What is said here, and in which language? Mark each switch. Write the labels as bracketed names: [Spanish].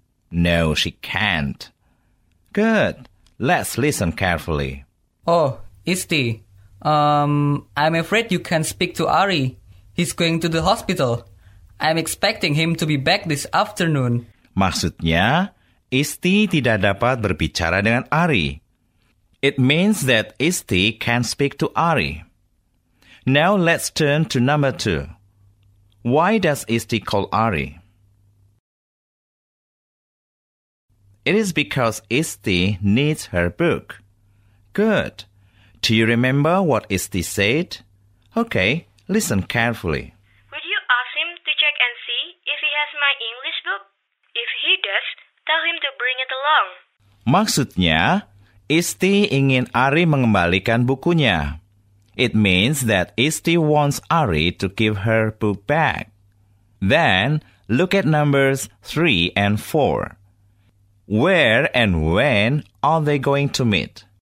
[English] No, she can't. Good. Let's listen carefully. Oh, Isti. I'm afraid you can't speak to Ari. He's going to the hospital. I'm expecting him to be back this afternoon. [Indonesian] Maksudnya, Isti tidak dapat berbicara dengan Ari. [English] It means that Isti can't speak to Ari. Now let's turn to number 2. Why does Isti call Ari? It is because Isti needs her book. Good. Do you remember what Isti said? Okay, listen carefully. Would you ask him to check and see if he has my English book? If he does, tell him to bring it along. [Indonesian] Maksudnya, Isti ingin Ari mengembalikan bukunya. [English] It means that Isti wants Ari to give her book back. Then, look at numbers 3 and 4. Where and when are they going to meet?